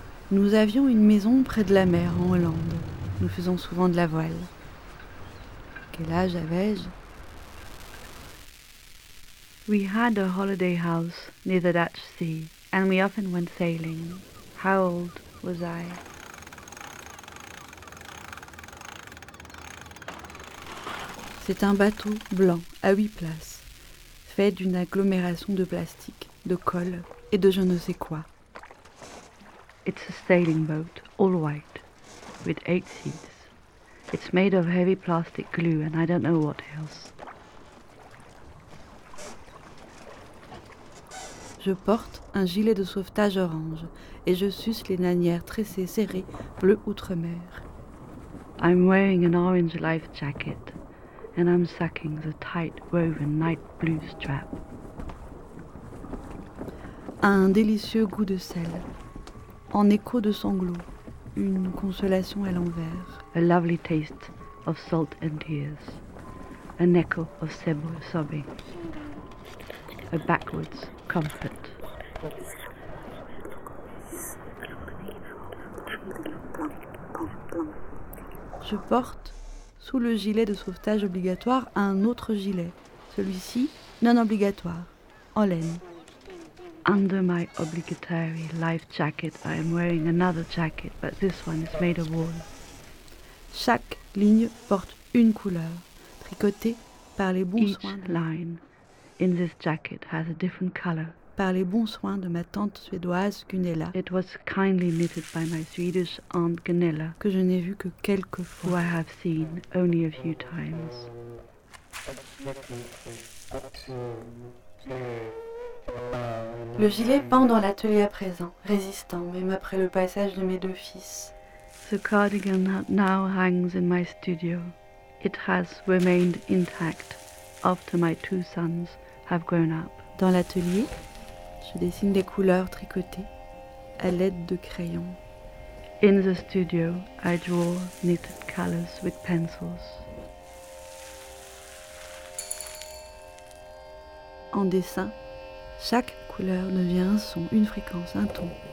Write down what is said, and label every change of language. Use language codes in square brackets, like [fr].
[fr] Nous avions une maison près de la mer, en Hollande. Nous faisons souvent de la voile. Quel âge avais-je ? [en] We had a holiday house near the Dutch Sea, and we often went sailing. How old was I? [fr] C'est un bateau blanc à 8 places, fait d'une agglomération de plastique, de colle et de je ne sais quoi. [en] It's a sailing boat, all white, with 8 seats. It's made of heavy plastic glue and I don't know what else. [fr] Je porte un gilet de sauvetage orange et je suce les nanières tressées serrées bleu outre-mer. [en] I'm wearing an orange life jacket and I'm sucking the tight woven night blue strap. [fr] Un délicieux goût de sel, en écho de sanglots, une consolation à l'envers. [en] A lovely taste of salt and tears, an echo of sable sobbing, a backwards comfort. [fr] Je porte, sous le gilet de sauvetage obligatoire, un autre gilet, celui-ci non obligatoire, en laine. [en] Under my obligatory life jacket, I am wearing another jacket, but this one is made of wool. [fr] Chaque ligne porte une couleur, tricotée par les bons soins. [en] Each line in this jacket has a different color. [fr] Par les bons soins de ma tante suédoise Gunella. [en] It was kindly knitted by my Swedish aunt Gunella, [fr] que je n'ai vu que quelques fois. [en] Who I have seen only a few times. [fr] Le gilet pend dans l'atelier à présent, résistant même après le passage de mes deux fils. [en] The cardigan now hangs in my studio. It has remained intact after my two sons have grown up. [fr] Dans l'atelier. Je dessine des couleurs tricotées à l'aide de crayons. [en] In the studio, I draw knitted colors with pencils. [fr] En dessin, chaque couleur devient un son, une fréquence, un ton.